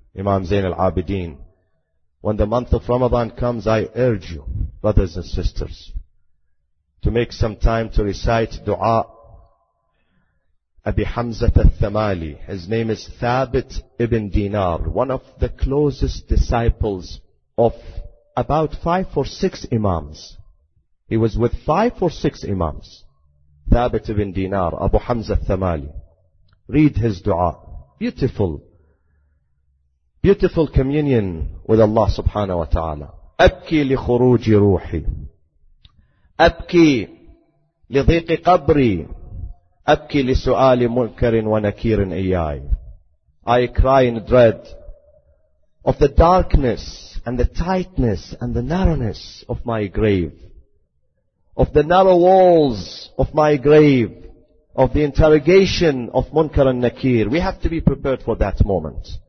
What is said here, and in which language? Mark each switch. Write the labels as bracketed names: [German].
[English] Imam Zain al-Abidin, when the month of Ramadan comes, I urge you, brothers and sisters, to make some time to recite dua. Abi Hamzat al-Thamali, his name is Thabit ibn Dinar, one of the closest disciples of about five or six imams. He was with five or six imams. [Arabic] ثابت بن دينار أبو حمزة الثمالي. Read his dua. Beautiful. Beautiful communion with Allah subhanahu wa ta'ala. أبكي لخروج روحي. أبكي لضيق قبري. أبكي لسؤال منكر ونكير إياي. [English] I cry in dread of the darkness and the tightness and the narrowness of my grave, of the narrow walls of my grave, of the interrogation of Munkar and Nakir. We have to be prepared for that moment.